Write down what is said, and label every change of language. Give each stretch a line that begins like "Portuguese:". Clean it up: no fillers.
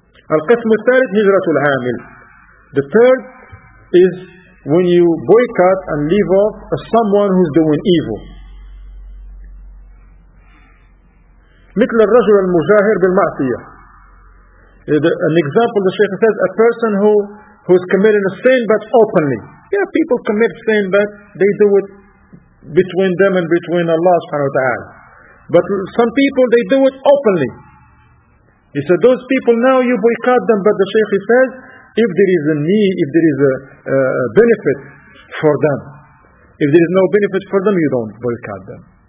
English: Al-Qasm al-Thalith, Hijratul Amil. The third is when you boycott and leave off someone who's doing evil.
Arabic: مثل الرجل المجاهر بالمعصية.
English: An example, the Shaykh says, a person who's committing a sin but openly. Yeah, people commit sin but they do it between them and between Allah subhanahu wa ta'ala. But some people, they do it openly. He said, those people now you boycott them, but the Shaykh says, if there is a need, if there is a benefit for them, if there is no benefit for them, you don't boycott them.